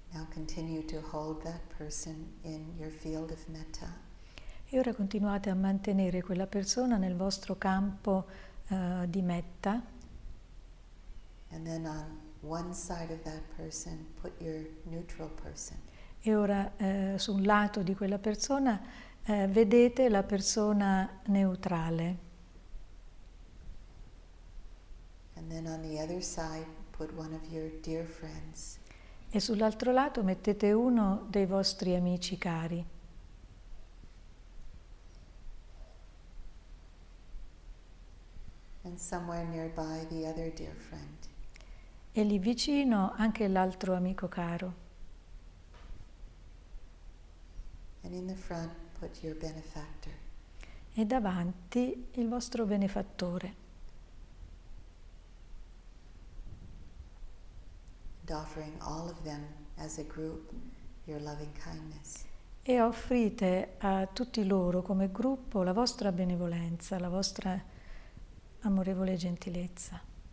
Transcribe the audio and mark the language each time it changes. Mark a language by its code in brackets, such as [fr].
[en] continue to hold that person in your field of metta. [it] E ora continuate a mantenere quella persona nel vostro campo di metta. [en] And then on one side of that person put your neutral person. [it] E ora su un lato di quella persona vedete la persona neutrale. [en] And then on the other side put one of your dear friends. [it] E sull'altro lato mettete uno dei vostri amici cari. [en] And somewhere nearby the other dear friend. [it] E lì vicino anche l'altro amico caro. [en] And in the front put your benefactor. [it] E davanti il vostro benefattore. [en] And offering all of them as a group your loving kindness. [it] E offrite a tutti loro come gruppo la vostra benevolenza, la vostra amorevole gentilezza.